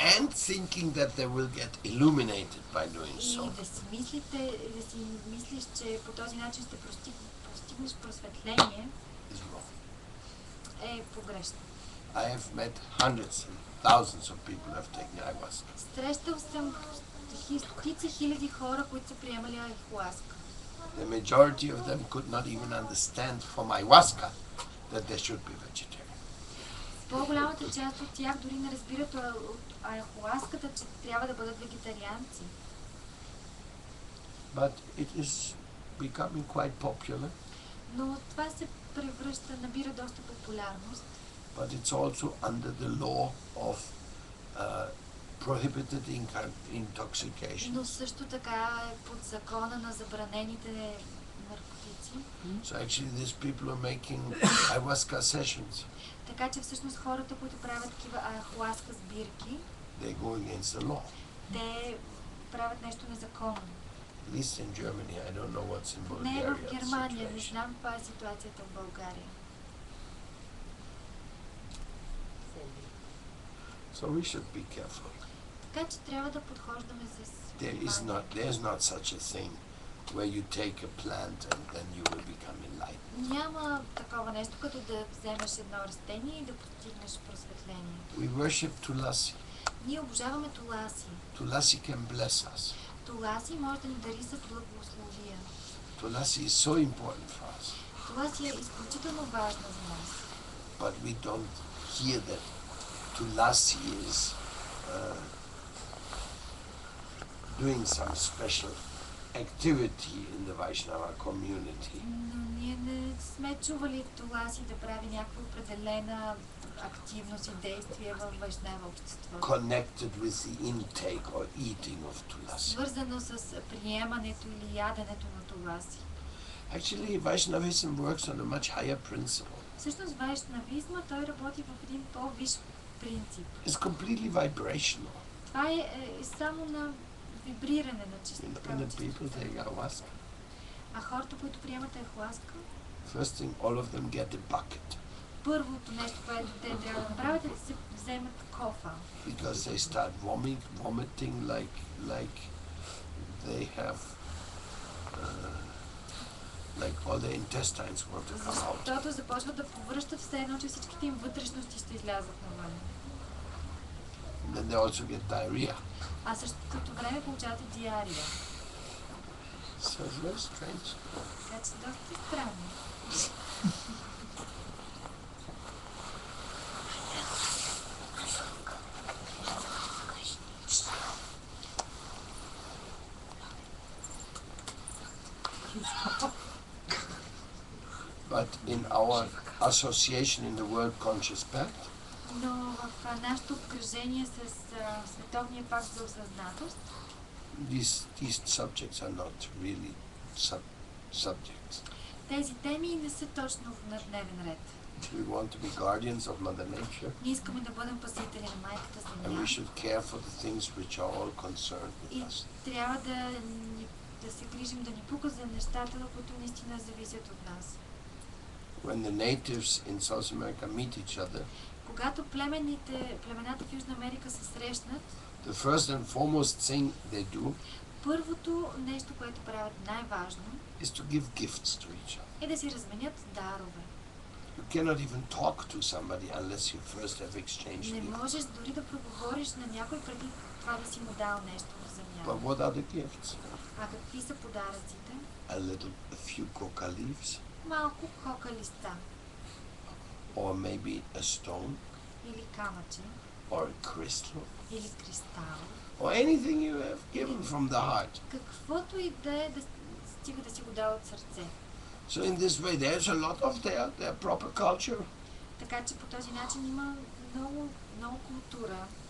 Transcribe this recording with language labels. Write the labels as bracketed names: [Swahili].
[English] And thinking that they will get illuminated by doing so. [Bulgarian] И да си мислите, да си мислиш, че по този начин ще постигнеш просветление. [English] Is wrong. [Bulgarian] Е погрешно. [English] I have met hundreds and thousands of people who have taken ayahuasca. [Bulgarian] Срещал съм стотици хиляди хора, които са приемали айхуаска. [English] The majority of them could not even understand from ayahuasca that they should be vegetarian. [Bulgarian] По-голямата част от тях дори не разбират от айхуаската, че трябва да бъдат вегетарианци. [English] But it is becoming quite popular. [Bulgarian] Но това се превръща, набира доста популярност. [English] But it's also under the law of prohibited intoxication. [Bulgarian] Но също така е под закона на забранените наркотици. [English] So actually these people are making ayahuasca sessions. [Bulgarian] Така че всъщност хората, които правят такива ayahuasca сбирки, [English] they go against the law. [Bulgarian] Те правят нещо незаконно. [English] At least in Germany, I don't know what's in Bulgaria. [Bulgarian] Не в Германия, не знам каква е ситуацията в България. [English] So we should be careful. [Bulgarian] Така че трябва да подхождаме с внимание. [English] There is not such a thing where you take a plant and then you will become enlightened. [Bulgarian] Няма такова нещо като да вземеш едно растение и да постигнеш просветление. [English] We worship Tulasi. [Bulgarian] Ние обожаваме Туласи. [English] Tulasi can bless us. [Bulgarian] Туласи може да ни дари с благословия. [English] Tulasi is so important for us. [Bulgarian] Туласи е изключително важна за нас. [English] But we don't hear that Tulasi is doing some special activity in the Vaishnava community. [Bulgarian] Но ние не сме чували Туласи да прави някаква определена активност и действие във Вайшнава общество. [English] Connected with the intake or eating of Tulasi. [Bulgarian] Свързано с приемането или яденето на Туласи. [English] Actually, Vaishnavism works on a much higher principle. [Bulgarian] Всъщност Вайшнавизма той работи в един по-виш принцип. [English] It's completely vibrational. [Bulgarian] Това е само на вибриране на чистота. [English] And the people take ayahuasca. [Bulgarian] А хората, които приемат ayahuasca, [English] first thing, all of them get a bucket. [Bulgarian] Първото нещо, което те трябва да направят, е да се вземат кофа. [English] Because they start vomiting like they have like all their intestines want to come out. [Bulgarian] Защото започват да повръщат все едно, че всичките им вътрешности ще излязат навън. [English] And then they also get diarrhea. [Bulgarian] А същото време получават и диария. [English] So it's very strange. [Bulgarian] Така че доста странно. [English] But in our association in the World Conscious Pact. [Bulgarian] Но в нашето обкръжение с Световния пакт за осъзнатост. [English] These subjects are not really subjects. [Bulgarian] Тези теми не са точно на дневен ред. [English] We want to be guardians of Mother Nature. [Bulgarian] Ние искаме да бъдем пазители на майката Земя. [English] And we should care for the things which are all concerned with us. [Bulgarian] Трябва да се грижим, да ни пука за нещата, които наистина зависят от нас. [English] When the natives in South America meet each other, [Bulgarian] когато племената в Южна Америка се срещнат, [English] the first and foremost thing they do, [Bulgarian] първото нещо, което правят най-важно, [English] is to give gifts to each other. [Bulgarian] Е да си разменят дарове. [English] You cannot even talk to somebody unless you first have exchanged. [Bulgarian] Не можеш дори да проговориш на някой преди това да си му дал нещо в замяна. [English] But what are the gifts? [Bulgarian] А какви са подаръците? [English] A few coca leaves. [Bulgarian] Малко кока листа. [English] Or maybe a stone. [Bulgarian] Или камъче. [English] Or a crystal. [Bulgarian] Или кристал. [English] Or anything you have given from the heart. [Bulgarian] Каквото и да е, да стига да си го дал от сърце. [English] So in this way there's a lot of their proper culture. [Bulgarian] Така че по този начин има много култура.